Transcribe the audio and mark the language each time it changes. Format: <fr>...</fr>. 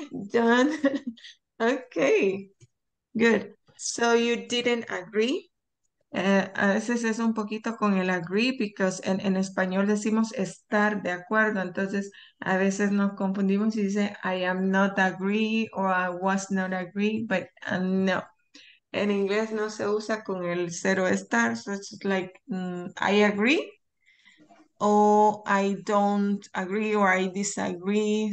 <en>Done. Okay, good. So you didn't agree.</en> <es>A veces es un poquito con el agree, because en español decimos estar de acuerdo. Entonces, a veces nos confundimos y dice</es> <en>I am not agree</en> <es>or I was not agree, but no. En inglés no se usa con el cero estar.</es> <en>So it's just like I agree or I don't agree or I disagree.</en>